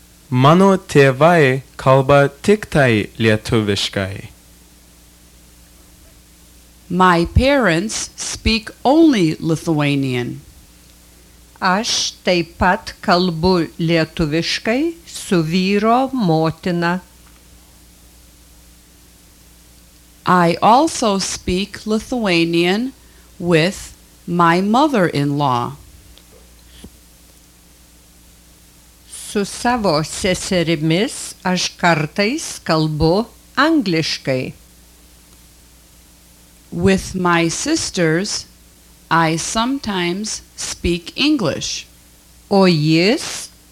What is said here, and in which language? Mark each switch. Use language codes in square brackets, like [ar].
[lt] Mano tėvai kalba tik tai lietuviškai. [en] My parents speak only Lithuanian. [lt] Aš taip pat kalbu lietuviškai su vyro motina. [en] I also speak Lithuanian with my mother-in-law. [lt] Su savo seserimis aš kartais kalbu angliškai. [en] With my sisters, I sometimes speak English. [lt] O jis?